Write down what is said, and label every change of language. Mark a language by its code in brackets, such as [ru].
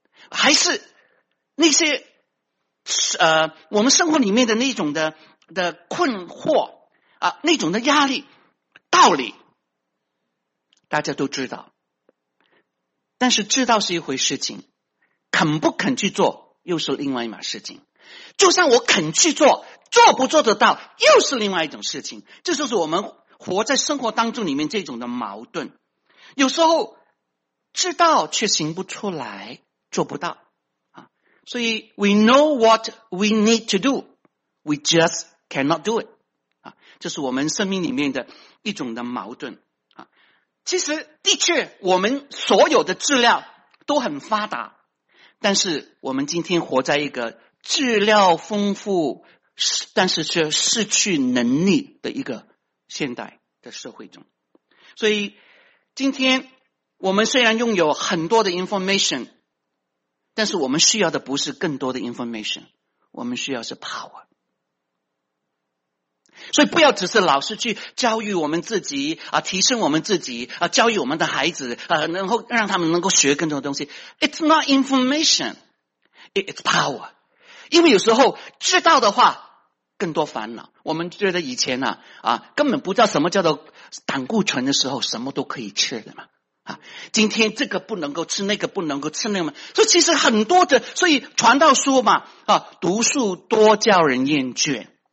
[zh] 还是那些我们生活里面的那种的困惑那种的压力，道理大家都知道，但是知道是一回事情，肯不肯去做又是另外一码事情。就算我肯去做，做不做得到又是另外一种事情。这就是我们活在生活当中里面这种的矛盾。有时候知道却行不出来，做不到。 [en] 所以 we know what we need to do, we just cannot do it. [zh] 这是我们生命里面的一种的矛盾。其实的确我们所有的资料都很发达，但是我们今天活在一个资料丰富但是却失去能力的一个现代的社会中。所以今天我们虽然拥有很多的 information, 但是我们需要的不是更多的 information, 我们需要是 power。所以不要只是老是去教育我们自己啊，提升我们自己啊，教育我们的孩子啊，然后让他们能够学更多的东西。 [en] It's not information, it's power. [zh] 因为有时候知道的话更多烦恼。我们觉得以前啊根本不知道什么叫做胆固醇的时候，什么都可以吃的嘛。啊，今天这个不能够吃，那个不能够吃，那个。所以其实很多的，所以传道书嘛啊，读书多叫人厌倦。